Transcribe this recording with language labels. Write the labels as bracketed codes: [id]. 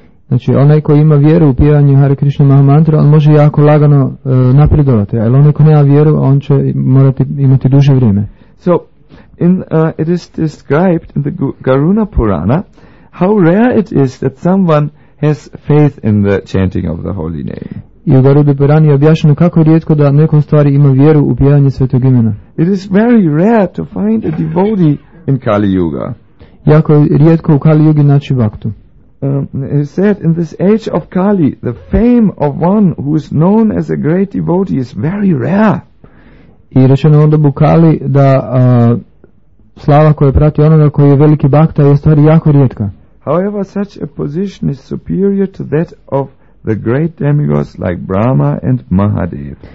[hr] Znači, onaj koji ima vjeru u pjevanju Hare Krishna Maha Mantra, on može jako lagano napredovati, ali onaj koji nema vjeru, on će morati imati duže vrijeme. [en] So, it is described in the Garuna Purana how rare it is that someone has faith in the chanting of the holy name. [hr] I u Garuda Purana je objašnjeno kako je rijetko da neko stvari ima vjeru u pjevanje svetog imena. [en] It is very rare to find a devotee in Kali Yuga. [hr] Jako je rijetko u Kali Yugi naći baktu. [en] He said, in this age of Kali, the fame of one who is known as a great devotee is very rare. [hr] I rečeno onda u Kali da slava koja prati onoga koji je veliki bakta je stvari jako rijetka. [en] However, such a position is superior to that of the great demigods like Brahma and Mahadev.